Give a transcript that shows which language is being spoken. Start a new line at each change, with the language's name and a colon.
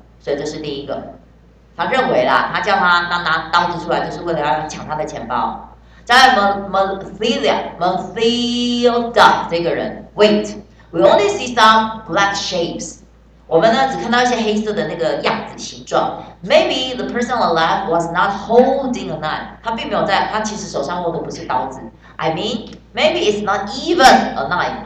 Chinese: 所以这是第一个，他认为啦，他叫他拿刀子出来，就是为了要抢他的钱包。在 Mathilda 这个人，
English: Wait，we only see some black shapes。
Chinese: 我们呢只看到一些黑色的那个样子形状。
English: Maybe the person alive was not holding a knife。
Chinese: 他并没有在，他其实手上握的不是刀子。
English: I mean, maybe it's not even a knife。